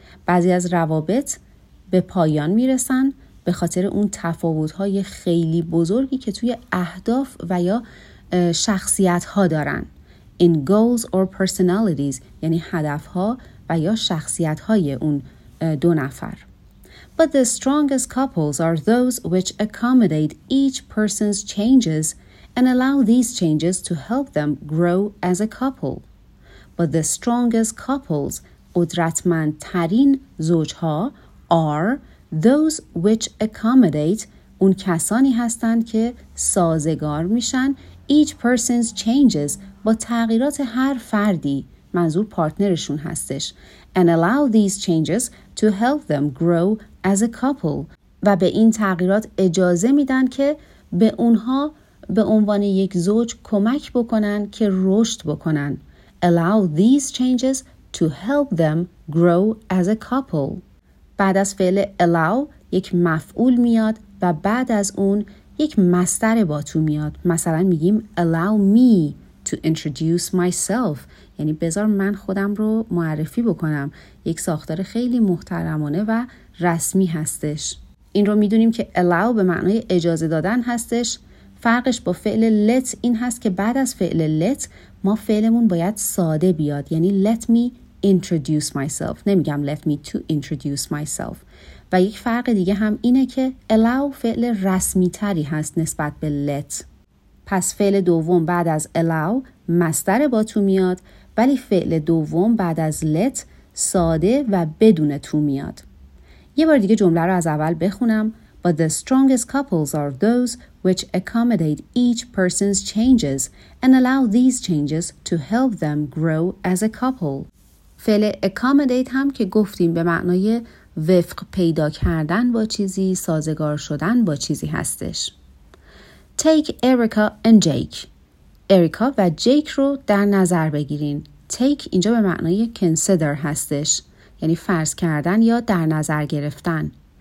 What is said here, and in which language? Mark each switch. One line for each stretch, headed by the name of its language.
Persian: بعضی از روابط به پایان میرسن به خاطر اون تفاوت‌های خیلی بزرگی که توی اهداف و یا شخصیت‌ها دارن.
English: In goals or personalities
Persian: یعنی هدف‌ها و یا شخصیت‌های اون دو نفر.
English: But the strongest couples are those which accommodate each person's changes and allow these changes to help them grow as a couple. But the strongest couples
Persian: قدرتمندترین زوج‌ها
English: are those which accommodate
Persian: اون کسانی هستند که سازگار میشن
English: each person's changes
Persian: با تغییرات هر فردی، منظور پارتنرشون هستش،
English: and allow these changes to help them grow as a couple
Persian: و به این تغییرات اجازه میدن که به اونها به عنوان یک زوج کمک بکنن که رشد بکنن.
English: Allow these changes to help them grow as a couple.
Persian: بعد از فعل allow یک مفعول میاد و بعد از اون یک مصدر با تو میاد. مثلا میگیم
English: allow me to introduce myself،
Persian: یعنی بذار من خودم رو معرفی بکنم. یک ساختار خیلی محترمانه و رسمی هستش. این رو میدونیم که allow به معنای اجازه دادن هستش. فرقش با فعل let این هست که بعد از فعل let ما فعلمون باید ساده بیاد، یعنی
English: let me introduce myself،
Persian: نمیگم
English: let me to introduce myself.
Persian: و یک فرق دیگه هم اینه که allow فعل رسمی تری هست نسبت به let. پس فعل دوم بعد از allow مصدر با تو میاد، ولی فعل دوم بعد از let ساده و بدون تو میاد. یه بار دیگه جمله رو از اول بخونم.
English: But the strongest couples are those which accommodate each person's changes and allow these changes to help them grow as a couple.
Persian: فعل accommodate هم که گفتیم به معنای وفق پیدا کردن با چیزی، سازگار شدن با چیزی هستش.
English: Take Erica and Jake.
Persian: Erica و Jake رو در نظر بگیرین. Take اینجا به معنای consider هستش، یعنی فرض کردن یا در نظر گرفتن.